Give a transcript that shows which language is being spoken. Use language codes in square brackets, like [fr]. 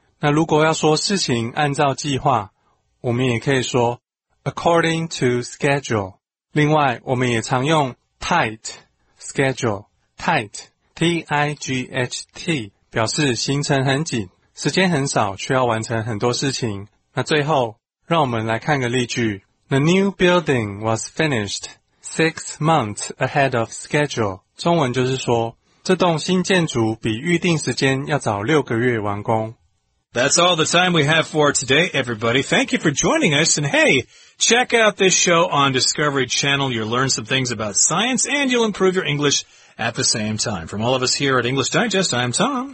[zh] 那如果要说事情按照计划，我们也可以说 [en] according to schedule. [zh] 另外，我们也常用 [en] tight schedule. [zh] Tight. T-I-G-H-T 表示行程很紧，时间很少，需要完成很多事情。那最后，让我们来看个例句。 [en] The new building was finished 6 months ahead of schedule. [zh] 中文就是说，这栋新建筑比预定时间要早6个月完工。 [en] That's all the time we have for today, everybody. Thank you for joining us. And hey, check out this show on Discovery Channel. You'll learn some things about science and you'll improve your English at the same time. From all of us here at English Digest, I'm Tom.